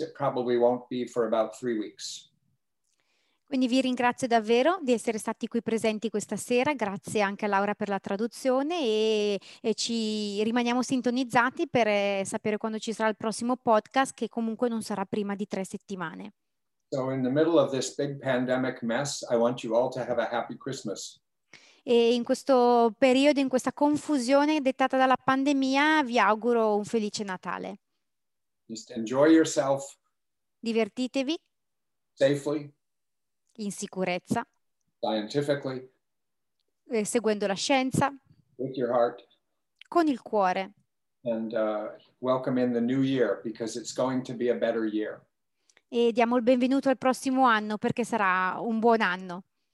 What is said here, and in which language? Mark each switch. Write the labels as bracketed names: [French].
[English] It probably won't be for about 3 weeks. [Italian] Quindi vi ringrazio davvero di essere stati qui presenti questa sera. Grazie anche a Laura per la traduzione e ci rimaniamo sintonizzati per sapere quando ci sarà il prossimo podcast, che comunque non sarà prima di 3 settimane. [English] So in the middle of this big pandemic mess, I want you all to have a happy Christmas. [Italian] E in questo periodo, in questa confusione dettata dalla pandemia, vi auguro un felice Natale. [English] Just enjoy yourself. [Italian] Divertitevi. [English] Safely. [Italian] In sicurezza. [English] Scientifically. [Italian] E seguendo la scienza. [English] With your heart. [Italian] Con il cuore. [English] And welcome in the new year, because it's going to be a better year. [Italian] E diamo il benvenuto al prossimo anno, perché sarà un buon anno.